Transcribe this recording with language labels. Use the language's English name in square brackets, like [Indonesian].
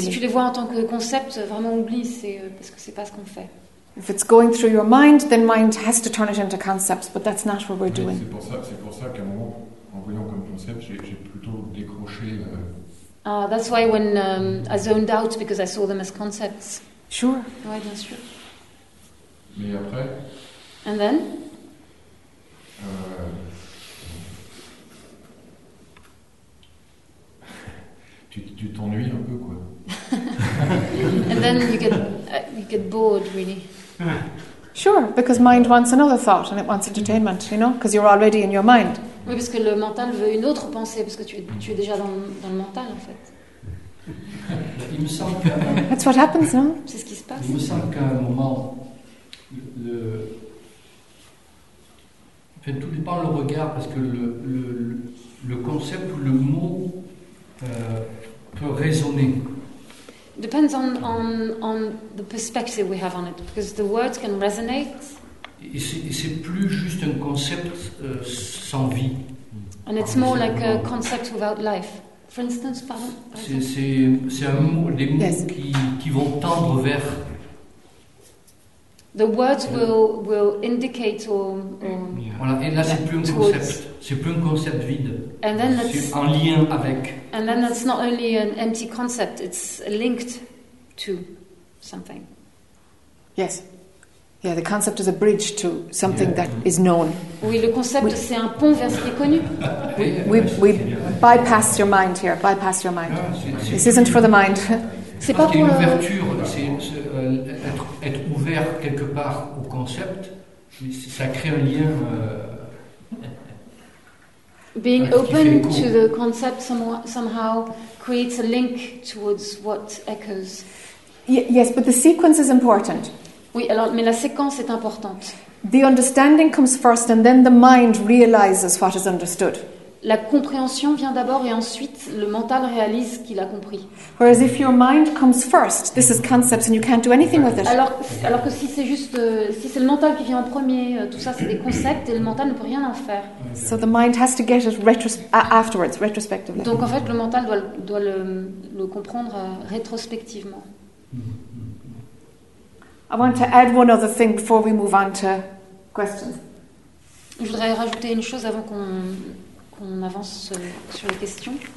[French] Si tu les vois en tant que concepts, vraiment oublie, c'est parce que c'est pas ce qu'on fait. [English] If it's going through your mind, then mind has to turn it into concepts, but that's not what we're doing. That's why when I zoned out because I saw them as concepts. Sure. Right, that's true. [French] Mais après, [English] and then? [French] Tu t'ennuies un peu, quoi. [English] And then you get bored, really. Sure, because mind wants another thought and it wants entertainment, you know, because you're already in your mind. [French] Oui, parce que le mental veut une autre pensée, parce que tu es déjà dans le mental, en fait. Il me semble [English] that's what happens, non? [French] C'est ce qui se passe. Il me semble qu'à un moment, enfin, tout dépend le regard, parce que le concept ou le mot peut résonner. [English] Depends on the perspective we have on it, because the words can resonate. [French] Et c'est plus juste un concept sans vie. [English] And it's more like a concept without life. For instance, pardon. [French] C'est un mot, des mots yes. qui vont tendre vers. [English] The words will indicate or. Yeah. [French] Voilà, et là c'est plus un concept. C'est plus un concept vide. [English] And then [French] c'est en lien avec. [English] And then that's not only an empty concept; it's linked to something. Yes. Yeah, the concept is a bridge to something yeah. that is known. [French] Oui, le concept c'est un pont vers ce qui est connu. [English] We bypass your mind here. Bypass your mind. This isn't for the mind. [French] C'est pas pour l'ouverture. C'est être ouvert quelque part au concept. Ça crée un lien. [English] Being open to the concept somehow creates a link towards what echoes. Yes, but the sequence is important. [French] Oui, alors, mais la séquence est importante. [English] The understanding comes first and then the mind realizes what is understood. [French] La compréhension vient d'abord et ensuite le mental réalise qu'il a compris. [English] Whereas if your mind comes first, this is concepts and you can't do anything with it. [French] Alors que si c'est juste si c'est le mental qui vient en premier, tout ça c'est des concepts et le mental ne peut rien en faire. [English] So the mind has to get it afterwards, retrospectively. [French] Donc en fait le mental doit le comprendre rétrospectivement. [English] I want to add one other thing before we move on to questions. [French] Je voudrais rajouter une chose avant qu'on avance sur les questions.